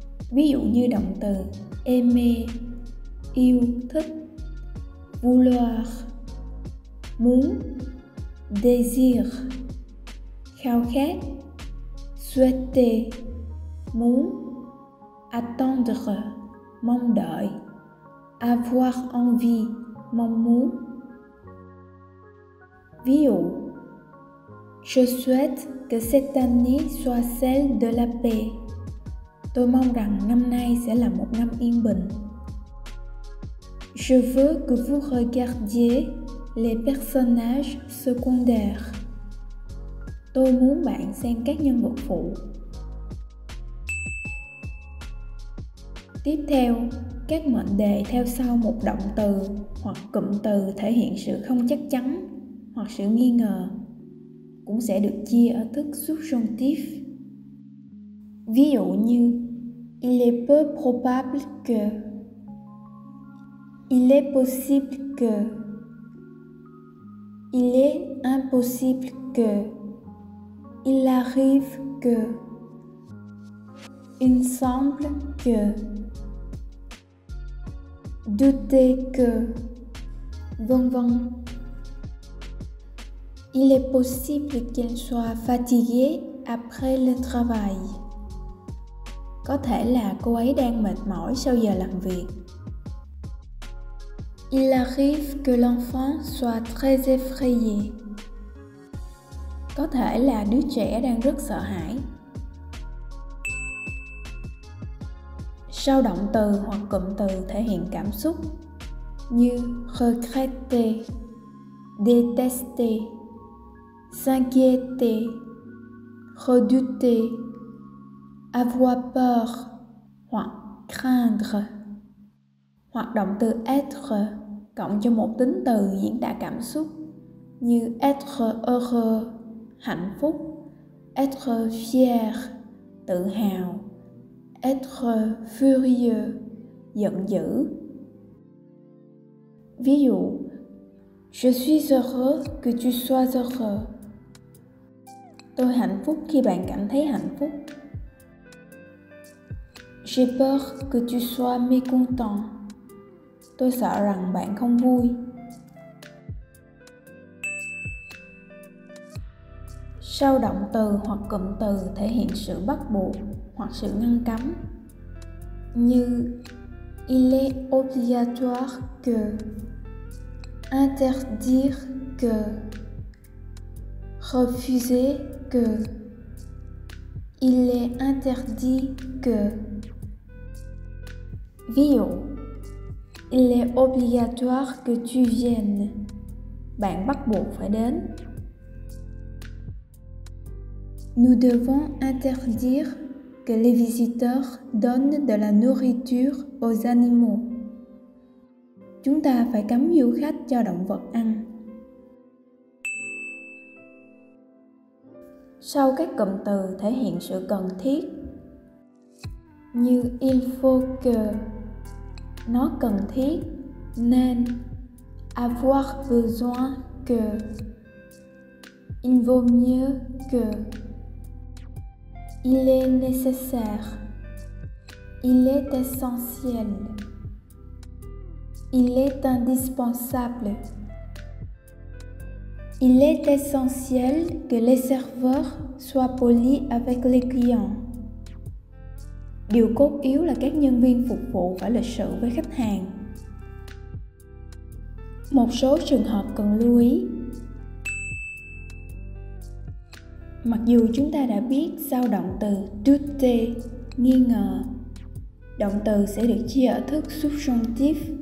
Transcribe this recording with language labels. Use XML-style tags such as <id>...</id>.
<vi>Ví dụ như động từ aimer, yêu thích, vouloir, muốn, désir, khao khát, souhaiter, muốn, attendre, mong đợi, avoir envie, mong muốn. Ví dụ,</vi> <fr>je souhaite que cette année soit celle de la paix.</fr> <vi>Tôi mong rằng năm nay sẽ là một năm yên bình.</vi> <fr>Je veux que vous regardiez les personnages secondaires.</fr> <vi>Tôi muốn bạn xem các nhân vật phụ. Tiếp theo, các mệnh đề theo sau một động từ hoặc cụm từ thể hiện sự không chắc chắn hoặc sự nghi ngờ cũng sẽ được chia ở thức subjonctif. Ví dụ như</vi> <fr>il est peu probable que, il est possible que, il est impossible que, il arrive que, il semble que, douter que,</fr> <vi>vân vân.</vi> <fr>Il est possible qu'elle soit fatiguée après le travail.</fr> <vi>Có thể là cô ấy đang mệt mỏi sau giờ làm việc.</vi> <fr>Il arrive que l'enfant soit très effrayé.</fr> <vi>Có thể là đứa trẻ đang rất sợ hãi. Sau động từ hoặc cụm từ thể hiện cảm xúc như regretter, détester, s'inquiéter, redouter, avoir peur hoặc craindre. Hoặc động từ être cộng cho một tính từ diễn tả cảm xúc như être heureux, hạnh phúc, être fier, tự hào, être furieux, giận dữ. Ví dụ,</vi> <fr>je suis heureux que tu sois heureux.</fr> <vi>Tôi hạnh phúc khi bạn cảm thấy hạnh phúc.</vi> <fr>J'ai peur que tu sois mécontent.</fr> <vi>Tôi sợ rằng bạn không vui. Sau động từ hoặc cụm từ thể hiện sự bắt buộc hoặc sự ngăn cấm như</vi> <fr>il est obligatoire que, interdire que, refuser que, il est interdit que.</fr> <vi>Ví dụ,</vi> <fr>il est obligatoire que tu viennes.</fr> <vi>Bạn bắt buộc phải đến.</vi> <fr>Nous devons interdire que les visiteurs donnent de la nourriture aux animaux.</fr> <vi>Chúng ta phải cấm du khách cho động vật ăn. Sau các cụm từ thể hiện sự cần thiết như</vi> <fr>il faut que,</fr> <vi>nó cần thiết, nên</vi> <fr>avoir besoin que, il vaut mieux que, il est nécessaire, il est essentiel, il est indispensable. Il est essentiel que les serveurs soient polis avec les clients.</fr> <vi>Điều cốt yếu là các nhân viên phục vụ phải lịch sự với khách hàng. Một số trường hợp cần lưu ý. Mặc dù chúng ta đã biết sau động từ douter, nghi ngờ, động từ sẽ được chia ở thức subjonctif</vi>